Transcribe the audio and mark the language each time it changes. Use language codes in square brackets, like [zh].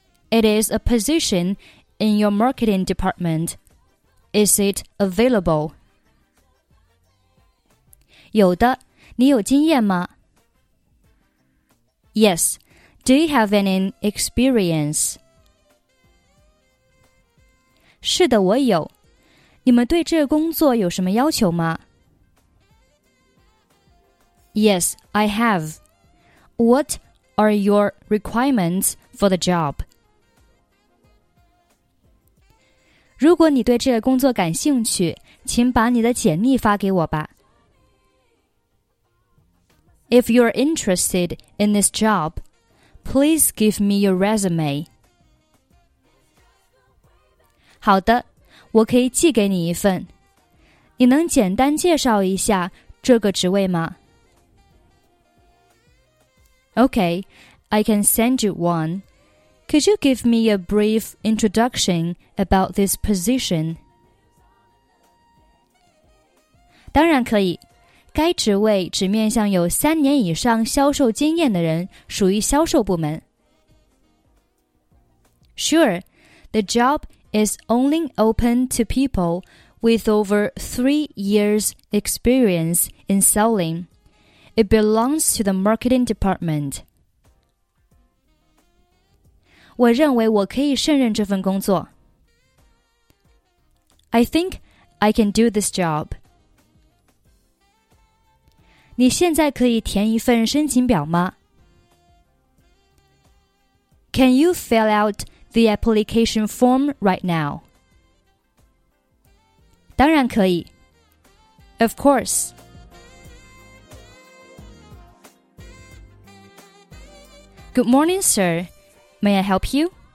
[en] It is a position in your marketing department. Is it available? [zh] 有的，你有经验吗？ [en] Yes, do you have any experience? [zh] 是的，我有。你们对这个工作有什么要求吗？ [en] Yes, I have. What are your requirements for the job? [zh] 如果你对这个工作感兴趣，请把你的简历发给我吧。 [en] If you are interested in this job, please give me your resume. [zh] 好的，我可以寄给你一份。你能简单介绍一下这个职位吗？ [en] Okay, I can send you one. Could you give me a brief introduction about this position? [zh] 当然可以。该职位只面向有三年以上销售经验的人，属于销售部门。 [en] Sure, the job is only open to people with over 3 years experience in selling. It belongs to the marketing department. [zh] 我认为我可以胜任这份工作。 [en] I think I can do this job. [zh] 你现在可以填一份申请表吗？ [en] Can you fill out the application form right now? [zh] 当然可以。 [en] Of course. Good morning, sir. May I help you?